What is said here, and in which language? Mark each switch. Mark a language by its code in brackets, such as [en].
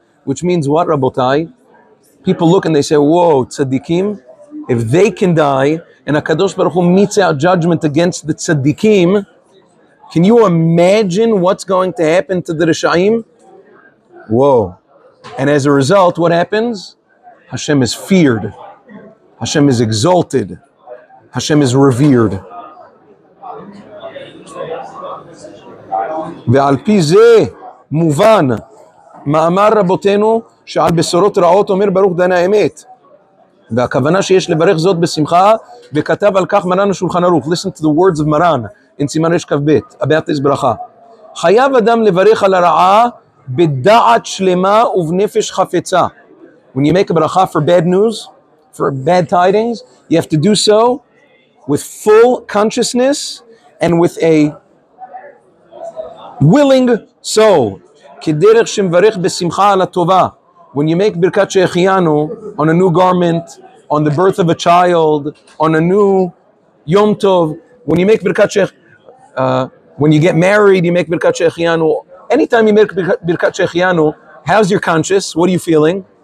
[en] Which means what, רבותיי? People look and they say, whoa, צדיקים, if they can die, and הקדוש ברוך הוא meets out judgment against the צדיקים, can you imagine what's going to happen to the רשעים? Whoa. And as a result, what happens? Hashem is feared. Hashem is exalted. Hashem is revered. [he] ועל פי זה מובן מאמר רבותינו שעל בשורות רעות אומר ברוך דני האמת. והכוונה שיש לברך זאת בשמחה, וכתב על כך מרן השולחן ערוך. [en] Listen to the words of מרן, in סימן רש כב ב', [he] הבאת איזו ברכה. חייב אדם לברך על הרעה בדעת שלמה ובנפש חפצה. [en] When you make a ברכה for bad news, for bad tidings, you have to do so with full consciousness and with a willing soul. [he] כדרך שמברך בשמחה על הטובה. [en] When you make ברכת שהחיינו on a new garment, on the birth of a child, on a new יום טוב, when you make ברכת when you get married, you make ברכת שהחיינו. Anytime you make ברכת שהחיינו, how's your conscience? What are you feeling?